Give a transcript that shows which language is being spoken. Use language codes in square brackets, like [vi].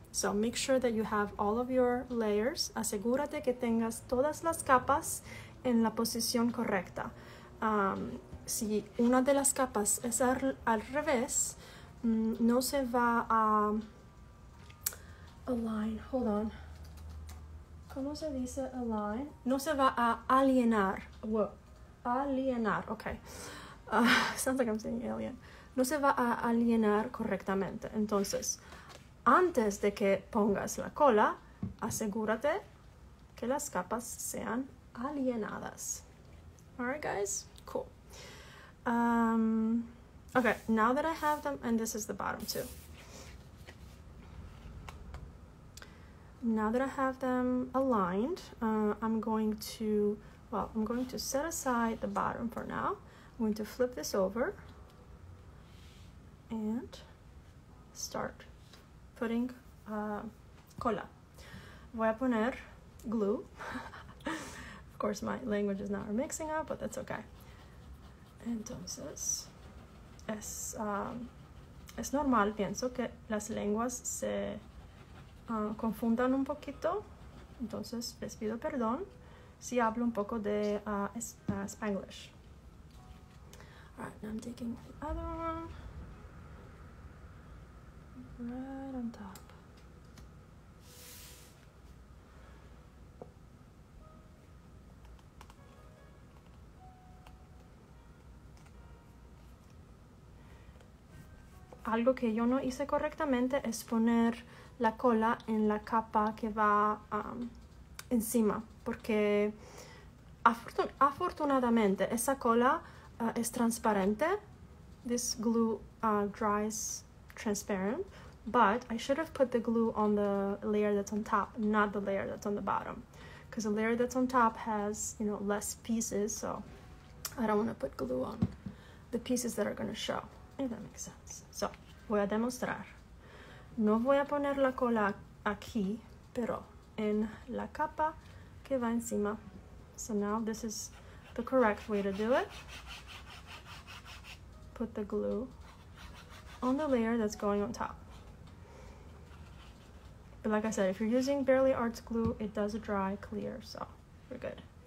[en] So make sure that you have all of your layers. [es] Asegúrate que tengas todas las capas en la posición correcta. Si una de las capas es al revés, no se va a align. [en] Hold on. [es] ¿Cómo se dice align? No se va a alienar. Whoa. Alienar. Okay. [en] Sounds like I'm saying alien. [es] No se va a alienar correctamente. Entonces, antes de que pongas la cola, asegúrate que las capas sean alienadas. [en] All right, guys. Cool. Okay, now that I have them, and this is the bottom too. Now that I have them aligned, I'm going to set aside the bottom for now. I'm going to flip this over and start putting cola. [es] Voy a poner [en] glue. Of course, my language is not mixing up, but that's okay. [es] Entonces, es normal, pienso, que las lenguas se confundan un poquito. Entonces, les pido perdón si hablo un poco de Spanglish. [en] All right, now I'm taking the other one. Right on top. [es] Algo que yo no hice correctamente es poner la cola en la capa que va encima, porque afortunadamente esa cola es transparente. [en] This glue dries transparent. But I should have put the glue on the layer that's on top, not the layer that's on the bottom. Because the layer that's on top has, you know, less pieces, so I don't want to put glue on the pieces that are going to show, if that makes sense. [es] So, voy a demostrar. No voy a poner la cola aquí, pero en la capa que va encima. [en] So now this is the correct way to do it. Put the glue on the layer that's going on top. But like I said, if you're using Barely Arts glue, it does dry clear, so we're good.